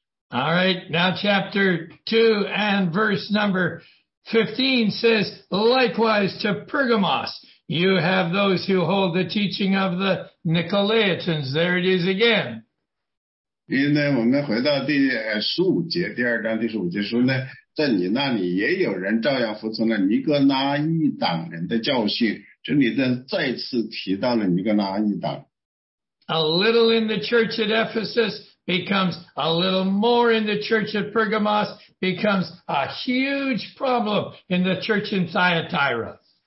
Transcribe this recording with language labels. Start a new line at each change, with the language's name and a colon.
English: All right, now chapter 2 and verse number 15 says, likewise to Pergamos, you have those who hold the teaching of the Nicolaitans. There it is again.
Chinese: 因为我们回到第15节，第二章第15节说呢，在你那里也有人照样服从了尼格拉一党人的教训。
English: A little in the church at Ephesus becomes a little more in the church at Pergamos becomes a huge problem in the church in Thyatira.